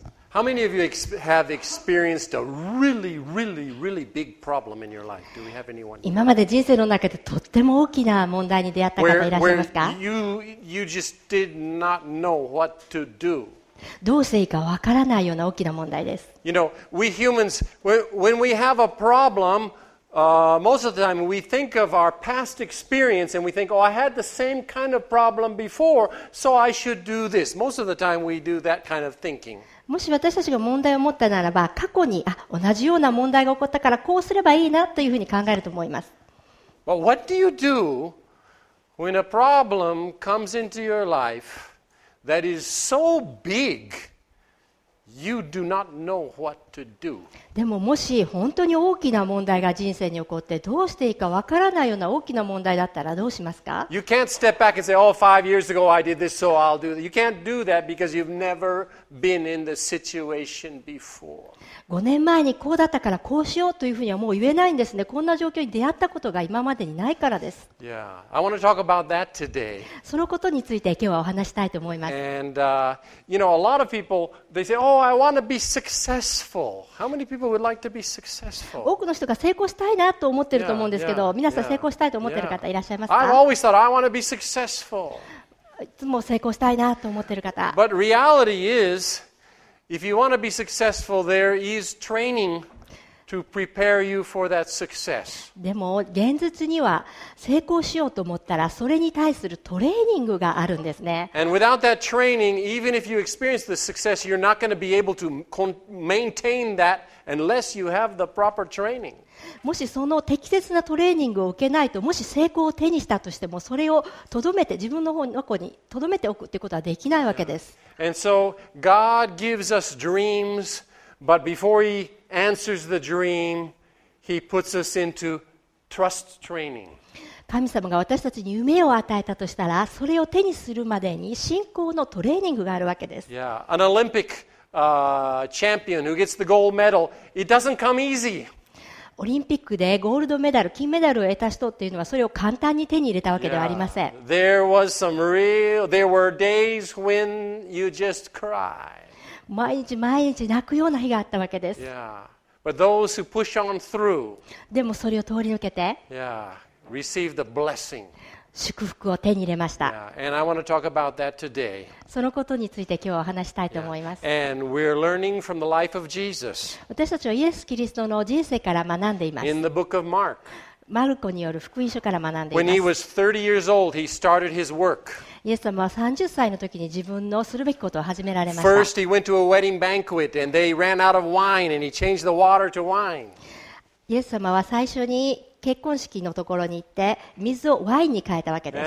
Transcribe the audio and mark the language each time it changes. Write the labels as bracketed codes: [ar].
[en] How many of you have experienced a really, really, really big problem in your life? Do we have anyone? [ja] 今まで人生の中でとっても大きな問題に出会った方いらっしゃいますか？ [en] You just did not know what to do. [ja] どうしていいかわからないような大きな問題です。 [en] You know, we humans, when we have a problem,most of the time we think of our past experience and we think, oh, I had the same kind of problem before, so I should do this. Most of the time we do that kind of thinking. [ja] もし私たちが問題を持ったならば、過去に、あ、同じような問題が起こったからこうすればいいなというふうに考えると思います。 [en] But what do you do when a problem comes into your life that is so big? You do not know what to do. [ja] でももし本当に大きな問題が人生に起こってどうしていいかわからないような大きな問題だったらどうしますか？ [en] You can't step back and say, oh, 5 years ago I did this, so I'll do that. You can't do that because you've never been in the situation before. [ja] 5年前にこうだったからこうしようというふうにはもう言えないんですね。こんな状況に出会ったことが今までにないからです。 [en] Yeah, I want to talk about that today. [ja] そのことについて今日はお話したいと思います。 [en] And, you know, a lot of people, they say, oh,I want to be successful. How many people would like to be successful? [ja] 多くの人が成功したいなと思ってると思うんですけど、皆さん成功したいと思ってる方いらっしゃいますか？ [en] I've always thought I want to be successful. [ja] いつも成功したいなと思ってる方。 [en] But reality is, if you want to be successful, there is training to prepare you for that success. [ja] でも現実には成功しようと思ったらそれに対するトレーニングがあるんですね。 [en] And without that training, even if you experience the success, you're not going to be able to maintain that unless you have the proper training. [ja] もしその適切なトレーニングを受けないと、もし成功を手にしたとしても、それをとどめて自分の方の子にとどめておくということはできないわけです。 [en] And so God gives us dreams, but before He answers the dream, he puts us into trust training. [ja] 神様が私たちに夢を与えたとしたら、それを手にするまでに信仰のトレーニングがあるわけです。 [en] Yeah, an Olympic, champion who gets the gold medal, it doesn't come easy. [ja] オリンピックでゴールドメダル、金メダルを得た人っていうのはそれを簡単に手に入れたわけではありません。 [en] Yeah, there were days when you just cry. [ja] 毎日毎日泣くような日があったわけです。 [en] Yeah. But those who push on through, [ja] でもそれを通り抜けて、 [en] yeah. Receive the blessing. [ja] 祝福を手に入れました。 [en] Yeah. And I want to talk about that today. [ja] そのことについて今日はお話したいと思います。 [en] Yeah. And we're learning from the life of Jesus. [ja] 私たちはイエス・キリストの人生から学んでいます。 [en] In the book of Mark. [ja] マルコによる福音書から学んでいます。 [en] When he was 30 years old, he started his work. [ja] イエス様は30歳の時に自分のするべきことを始められました。 [en] First, he went to a wedding banquet and they ran out of wine and he changed the water to wine. [ja] イエス様は最初に結婚式のところに行って水をワインに変えたわけです。